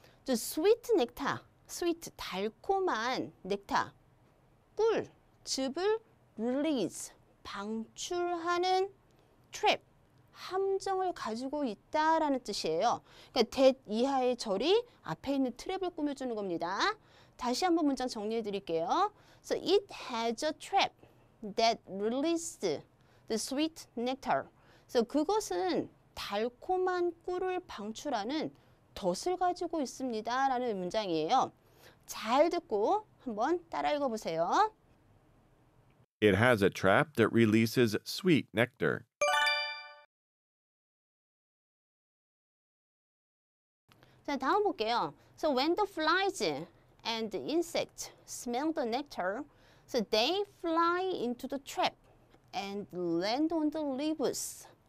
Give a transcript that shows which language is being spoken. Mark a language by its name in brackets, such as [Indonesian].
[English] The sweet nectar, sweet 달콤한 nectar, 꿀, 즙을 release, 방출하는 trap. [Korean] 함정을 가지고 있다라는 뜻이에요. 그러니까 that 이하의 절이 앞에 있는 트랩을 꾸며주는 겁니다. 다시 한번 문장 정리해 드릴게요. [English] So it has a trap that released the sweet nectar. [Korean] So 그것은 달콤한 꿀을 방출하는 덫을 가지고 있습니다라는 문장이에요. 잘 듣고 한번 따라 읽어보세요. [English] It has a trap that releases sweet nectar. [Korean] 자, 다음 볼게요. [English] So when the flies and the insects smell the nectar, so they fly into the trap and land on the leaves.